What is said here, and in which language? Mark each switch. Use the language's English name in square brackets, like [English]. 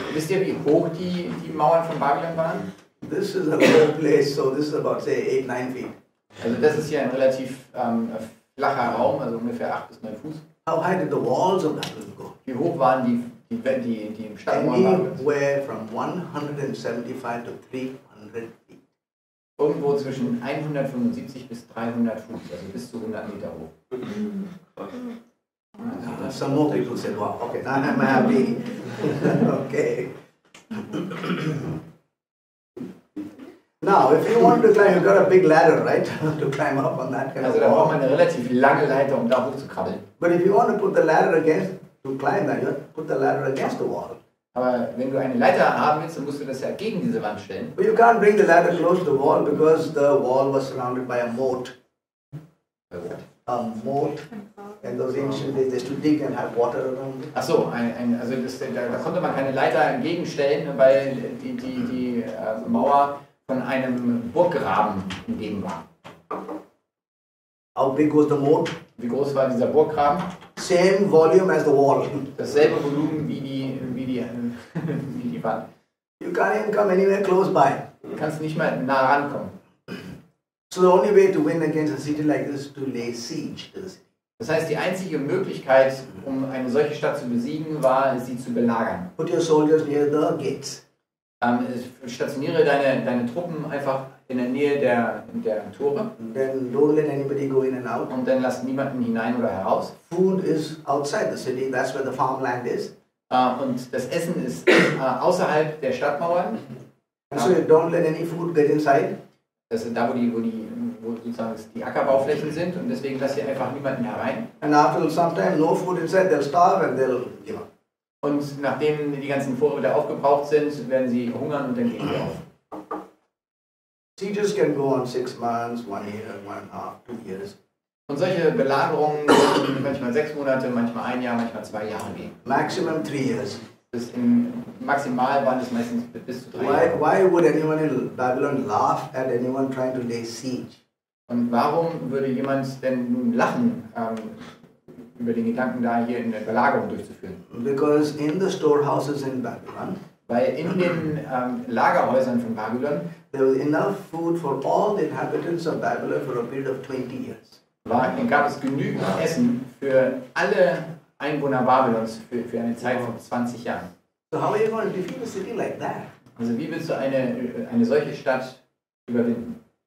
[German] Wisst ihr, wie hoch die Mauern von Babylon waren? [English] This is a low place, so this is about, say, 8-9 feet. [German] Also das ist hier ein relativ flacher Raum, also ungefähr 8-9 Fuß. [English] How high did the walls of Babylon go? [German] Wie hoch waren die Stadtmauern [English] Babylon? Anywhere from 175 to 300 feet. [German] Irgendwo zwischen 175 bis 300 Fuß, also bis zu 100 Meter hoch. [English] Some more people said, wow, okay, now I'm happy. Okay. Now, if you want to climb, you've got a big ladder, right? To climb up on that kind of wall. [German] Also, da braucht man eine relativ lange Leiter, um da hochzukrabbeln. [English] But if you want to put the ladder against, to climb that, you put the ladder against the wall. [German] Aber wenn du eine Leiter haben willst, dann musst du das ja gegen diese Wand stellen. [English] But you can't bring the ladder close to the wall, because the wall was surrounded by a moat. A moat. And those ancient days, they used to dig and have water around it. [German] Ach so, da konnte man keine Leiter entgegenstellen, weil die Mauer von einem Burggraben umgeben war. [English] How big was the moat? [German] Wie groß war dieser Burggraben? [English] Same volume as the wall. [German] Dasselbe Volumen wie die Wand. [English] You can't even come anywhere close by. [German] Du kannst nicht mal nah rankommen. [English] So the only way to win against a city like this is to lay siege to the city. [German] Das heißt, die einzige Möglichkeit, um eine solche Stadt zu besiegen, war, sie zu belagern. [English] Put your soldiers near the gates. [German] Stationiere deine Truppen einfach in der Nähe der Tore. [English] Then don't let anybody go in and out. [German] Und dann lass niemanden hinein oder heraus. [English] Food is outside the city. That's where the farmland is. [German] Und das Essen ist außerhalb der Stadtmauern. [English] And so you don't let any food get inside. [German] Das sind da, wo sozusagen die Ackerbauflächen sind, und deswegen lasst ihr einfach niemanden herein. [English] And after some time, no food inside, they'll starve and they'll give up. [German] Und nachdem die ganzen Vorräte aufgebraucht sind, werden sie hungern und dann gehen sie auf. [English] Sieges can go on 6 months, 1 year, 1.5, 2 years. [German] Und solche Belagerungen können manchmal 6 Monate, manchmal 1 Jahr, manchmal 2 Jahre gehen. [English] Maximum 3 years. [German] Das ist im Maximal waren es meistens bis zu 3 Jahre. [English] Why would anyone in Babylon laugh at anyone trying to lay siege? [German] Und warum würde jemand denn nun lachen über den Gedanken, da hier eine Belagerung durchzuführen? [English] Because in the storehouses in Babylon, [German] weil in den Lagerhäusern von Babylon, [English] there was enough food for all the inhabitants of Babylon for a period of 20 years. [German] Gab es genügend Essen für alle Einwohner Babylons für eine Zeit von 20 Jahren. [English] So how are you going to defeat a city like that? [German] Also wie willst du eine solche Stadt überwinden?